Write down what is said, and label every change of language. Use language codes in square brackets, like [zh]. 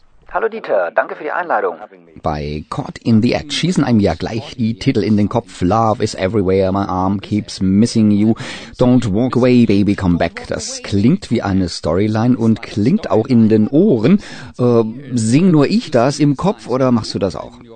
[de] Hallo Dieter, danke für die Einladung. Bei Caught in the Act schießen einem ja gleich die Titel in den Kopf. [en] Love is everywhere, my arm keeps missing you. Don't walk away, baby, come back. [de] Das klingt wie eine Storyline und klingt auch in den Ohren. Sing nur ich das im Kopf oder machst du das auch?